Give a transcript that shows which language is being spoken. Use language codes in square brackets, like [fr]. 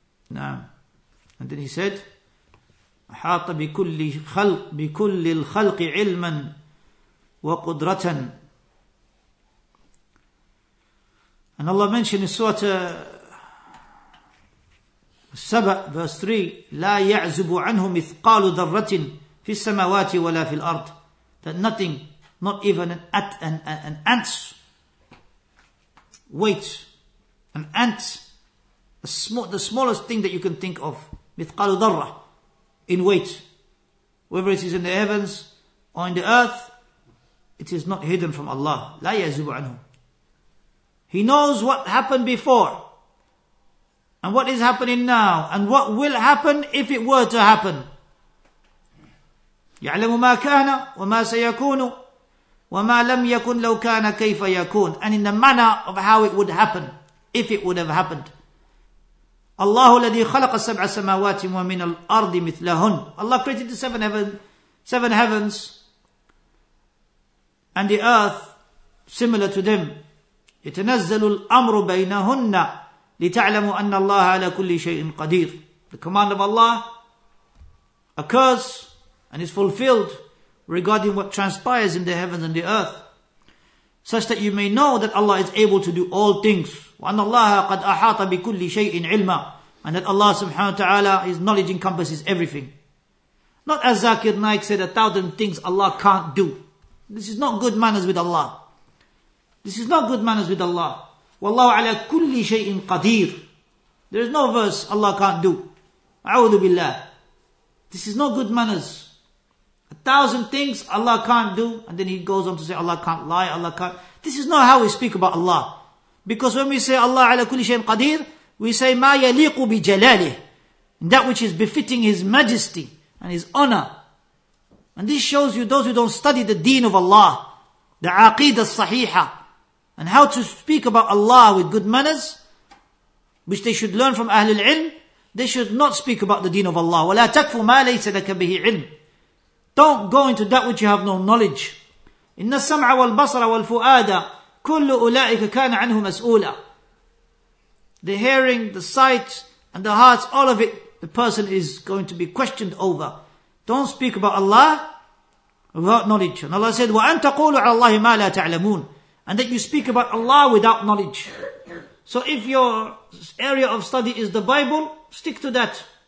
[en] And then he said, [ar] أحاط بكل خلق بكل الخلق علما وقدرة. [en] And Allah mentioned in Surah Saba, verse 3, [ar] لا يعزب عنه مثقال ذرة في السماوات ولا في الأرض. [en] That nothing, not even an ant's weight, an ant, the smallest thing that you can think of, [ar] مثقال ذرة, [en] in weight, whether it is in the heavens or in the earth, it is not hidden from Allah. [ar] لا يعزب عنه. [en] He knows what happened before, and what is happening now, and what will happen if it were to happen. [ar] يَعْلَمُ مَا كَانَ وَمَا سَيَكُونُ وَمَا لَمْ يَكُنْ لَوْ كَانَ كَيْفَ يَكُونَ. [en] And in the manner of how it would happen, if it would have happened. [ar] الله الذي خلق سبع سماوات ومن الأرض مثلهن. [en] Allah created the seven heavens, and the earth similar to them. [ar] يتنزل الأمر بينهن لتعلموا أن الله على كل شيء قدير. [en] The command of Allah occurs and is fulfilled regarding what transpires in the heavens and the earth, such that you may know that Allah is able to do all things. [ar] وأن الله قد أحاط بكل شيء علما. [en] And that Allah subhanahu wa ta'ala, His knowledge encompasses everything. Not as Zakir Naik said, 1,000 things Allah can't do. This is not good manners with Allah. This is not good manners with Allah. Wallahu ala kulli shay'in qadir. There is no verse Allah can't do. A'udhu billah. This is not good manners. 1,000 things Allah can't do. And then he goes on to say, Allah can't lie, Allah can't. This is not how we speak about Allah. Because when we say Allah ala kulli shay'in qadir, we say, ma yaliqu bi jalalihi. That which is befitting His majesty and His honor. And this shows you, those who don't study the deen of Allah, the aqidah sahiha, and how to speak about Allah with good manners, which they should learn from Ahlul Ilm, they should not speak about the deen of Allah. [ar] وَلَا تَكْفُ مَا لَيْسَ لَكَ بِهِ عِلْمٍ. [en] Don't go into that which you have no knowledge. [ar] إِنَّ السَّمْعَ وَالْبَصَرَ وَالْفُؤَادَ كُلُّ أُولَٰئِكَ كَانَ عَنْهُ مَسْؤُولًا. [en] The hearing, the sight, and the heart, all of it, the person is going to be questioned over. Don't speak about Allah without knowledge. And Allah said, [ar] وَأَن تَقُولُ عَلَى اللَّهِ مَا لَا تَعْلَمُونَ. [en] And that you speak about Allah without knowledge. So if your area of study is the Bible, stick to that.